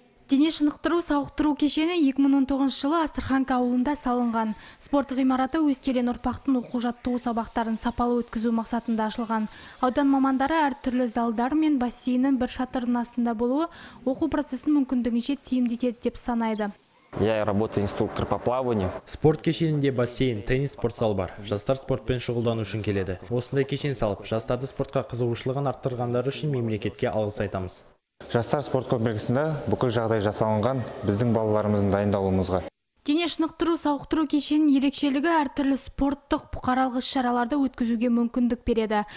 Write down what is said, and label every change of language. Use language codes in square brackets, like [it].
[kk] Дене шынықтыру, сауықтыру кешені 2019 жылы Астраханка ауылында салынған. Спорттық ғимараты өскелең ұрпақтың оқу-жаттығу сабақтарын сапалы өткізу мақсатында ашылған. Аудан мамандары әртүрлі залдар мен бассейнінің бір шатырының астында болуы оқу процесін мүмкіндігінше тиімдетеді деп санайды. [ru] Я работаю инструктор по плаванию. [kk] Спорт кешенінде бассейн, теннис, спортзал бар. Жастар спортпен шұғылдану үшін келеді. Осындай кешен салып, жастарды спортқа қызығушылығын арттырғандар үшін мемлекетке алғыс айтамыз. Жастар спорт комплексінде бүкіл жағдай жасалынған біздің балаларымыздың дайындалуымызға. Дене шынықтыру, сауықтыру кешенінің ерекшелігі әртүрлі спорттық бұқаралық іс-шараларды өткізуге мүмкіндік береді.